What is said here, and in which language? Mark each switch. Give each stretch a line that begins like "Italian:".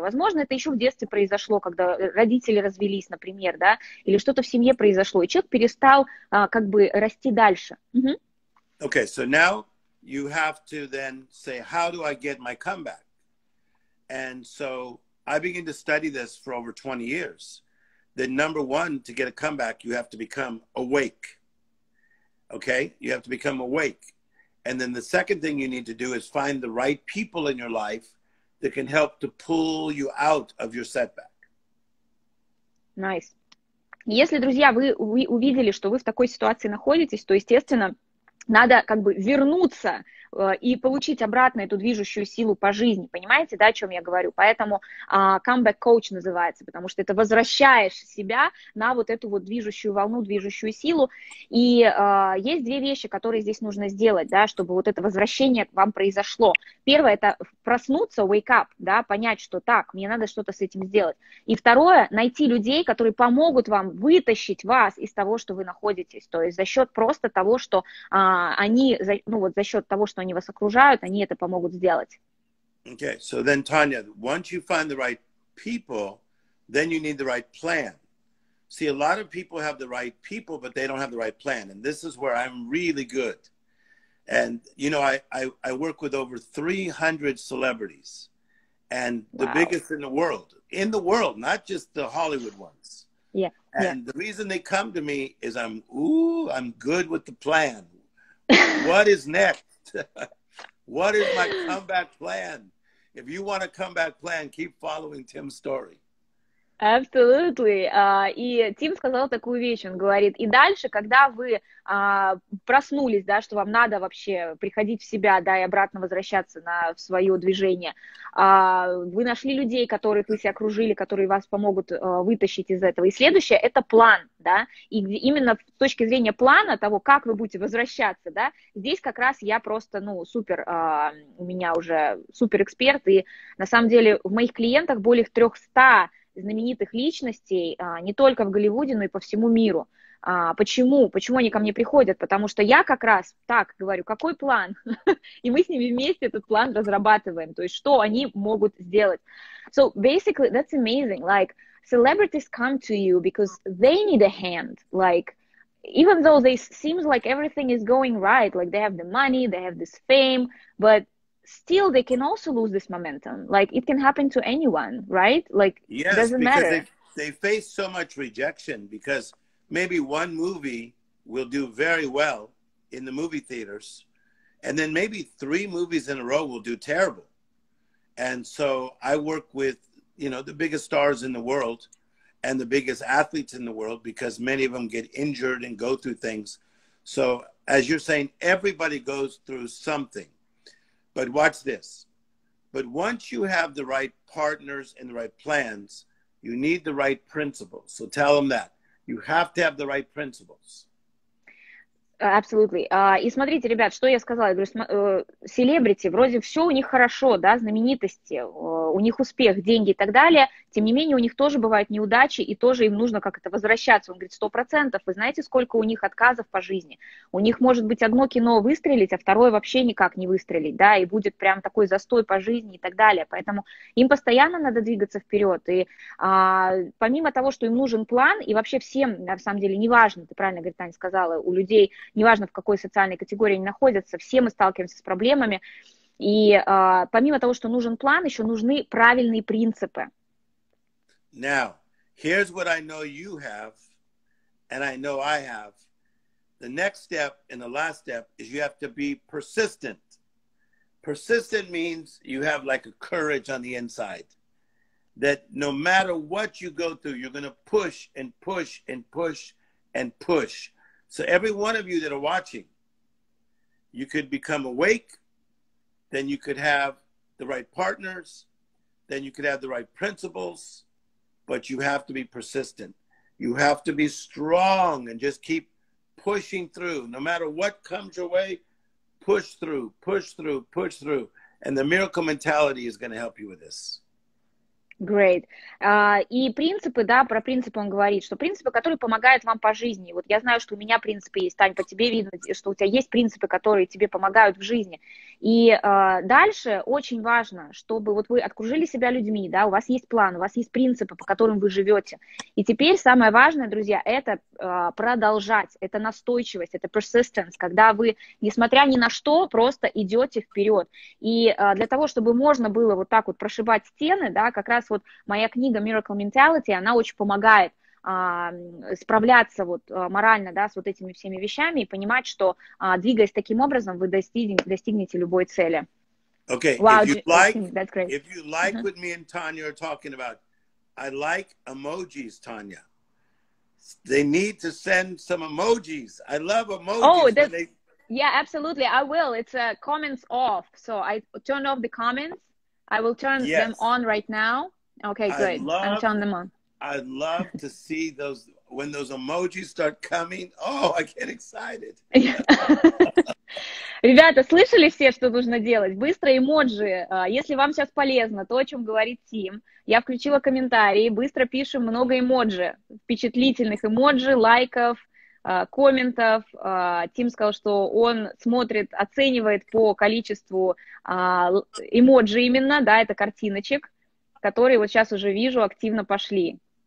Russian: Возможно, это еще в детстве произошло, когда родители развелись, например, да, или что-то в семье произошло, и человек перестал как бы расти дальше.
English: Okay, so now you have to then say, how do I get my comeback? And so I begin to study this for over 20 years. The number one, to get a comeback, you have to become awake. Okay, you have to become awake. And then the second thing you need to do is find the right people in your life that can help to pull you out of your setback. Nice.
Russian: Если, друзья, вы увидели, что вы в такой ситуации находитесь, то, естественно, надо как бы вернуться и получить обратно эту движущую силу по жизни. Понимаете, да, о чем я говорю? Поэтому
English: comeback coach
Russian: называется, потому что это возвращаешь себя на вот эту вот движущую волну, движущую силу. И есть две вещи, которые здесь нужно сделать, да, чтобы вот это возвращение к вам произошло. Первое – это проснуться,
English: wake up,
Russian: да, понять, что так, мне надо что-то с этим сделать. И второе – найти людей, которые помогут вам вытащить вас из того, что вы находитесь. То есть за счет просто того, что они, ну вот за счет того, что они вас окружают, они это помогут сделать.
English: Okay, so then, Tanya, once you find the right people, then you need the right plan. See, a lot of people have the right people, but they don't have the right plan. And this is where I'm really good. And, you know, I work with over 300 celebrities. And the biggest in the world, not just the Hollywood ones. Yeah. And the reason they come to me is I'm good with the plan. What is next? What is my comeback plan? If you want a comeback plan, keep following Tim's story.
Russian: Абсолютно. И Тим сказал такую вещь, он говорит, и дальше, когда вы проснулись, да, что вам надо вообще приходить в себя, да, и обратно возвращаться на в свое движение, вы нашли людей, которых вы себя окружили, которые вас помогут вытащить из этого. И следующее – это план, да, и именно с точки зрения плана того, как вы будете возвращаться, да, здесь как раз я просто, ну, супер, у меня уже супер эксперт, и на самом деле в моих клиентах более 300 знаменитых личностей не только в Голливуде, но и по всему миру. Почему? Почему они ко мне приходят? Потому что я как раз так говорю, какой план? И мы с ними вместе этот план разрабатываем. То есть что они могут сделать?
English: So basically, that's amazing. Like, celebrities come to you because they need a hand. Like, even though they seems like everything is going right, like they have the money, they have this fame, but still, they can also lose this momentum. Like, it can happen to anyone, right? Like, yes, it doesn't matter. They face so much rejection because maybe one movie will do very well in the movie theaters, and then maybe three movies in a row will do terrible. And so I work with, you know, the biggest stars in the world and the biggest athletes in the world because many of them get injured and go through things. So as you're saying, everybody goes through something. But watch this. But once you have the right partners and the right plans, you need the right principles. So tell them that. You have to have the right principles. Absolutely.
Russian: И смотрите, ребят, что я сказала. Я говорю, селебрити, вроде все у них хорошо, да, знаменитости, у них успех, деньги и так далее. тем не менее, у них тоже бывают неудачи, и тоже им нужно как-то возвращаться. Он говорит, 100%, вы знаете, сколько у них отказов по жизни? У них может быть одно кино выстрелить, а второе вообще никак не выстрелить, да, и будет прям такой застой по жизни и так далее. Поэтому им постоянно надо двигаться вперед. И помимо того, что им нужен план, и вообще всем, на самом деле, неважно, ты правильно, говорит, Таня, сказала, у людей, неважно, в какой социальной категории они находятся, все мы сталкиваемся с проблемами. И помимо того, что нужен план, еще нужны правильные принципы.
English: Now, here's what I know you have, and I know I have. The next step and the last step is you have to be persistent. Persistent means you have like a courage on the inside, that no matter what you go through, you're going to push and push and push and push. So every one of you that are watching, you could become awake, then you could have the right partners, then you could have the right principles, but you have to be persistent. You have to be strong and just keep pushing through. No matter what comes your way, push through, push through, push through. And the miracle mentality is going to help you with this. Great.
Russian: И принципы, да, про принципы он говорит, что принципы, которые помогают вам по жизни. Вот я знаю, что у меня принципы есть, Тань, по тебе видно, что у тебя есть принципы, которые тебе помогают в жизни. И дальше очень важно, чтобы вот вы окружили себя людьми, да, у вас есть план, у вас есть принципы, по которым вы живете. И теперь самое важное, друзья, это продолжать, это настойчивость, это persistence, когда вы, несмотря ни на что, просто идете вперед. И для того, чтобы можно было вот так вот прошибать стены, да, как раз вот моя книга Miracle Mentality, она очень помогает справляться вот морально, да, с вот этими всеми вещами и понимать, что двигаясь таким образом, вы достигнете любой цели.
English: Okay, wow, if you like, that's great. If you like what me and Tanya are talking about, I like emojis, Tanya. They need to send some emojis. I love emojis. Oh, that's, yeah, absolutely, I will. It's comments off, so I turn off the comments. I will turn yes. them on right now. Okay, good. I'm turning them on. I'd love to see those, when those emojis start coming. Oh, I get excited.
Russian: Ребята, слышали все, что нужно делать? Быстро эмоджи. Если вам сейчас полезно, то, о чем говорит Тим, я включила комментарии, быстро пишем много эмоджи, впечатлительных эмоджи, лайков, комментов. Тим сказал, что он смотрит, оценивает по количеству эмоджи именно, да, это картиночек, которые вот сейчас уже вижу, активно пошли.